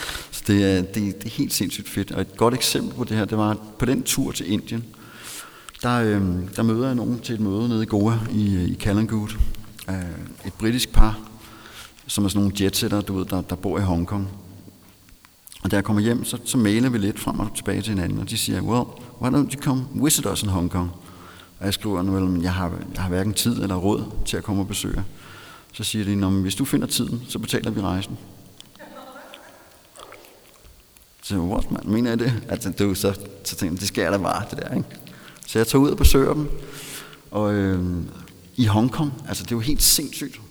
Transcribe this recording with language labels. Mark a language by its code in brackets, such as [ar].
[da] Så det er helt sindssygt fedt. Og et godt eksempel på det her, det var på den tur til Indien. Der møder jeg nogen til et møde nede i Goa i Kalangut. Et britisk par, som er sådan nogle jetsetter, du ved, der bor i Hongkong. Og da jeg kommer hjem, så mailer vi lidt frem og tilbage til hinanden. Og de siger, [en] well, why don't you come visit us in Hongkong? [da] Og jeg skriver, well, jeg har hverken tid eller råd til at komme og besøge. Så siger de, hvis du finder tiden, så betaler vi rejsen. Så [en] what, man, [da] mener jeg det? Altså, du, så tænker jeg, det sker da bare, det der, ikke? Så jeg tager ud og besøger dem. Og i Hongkong, altså det er jo helt sindssygt.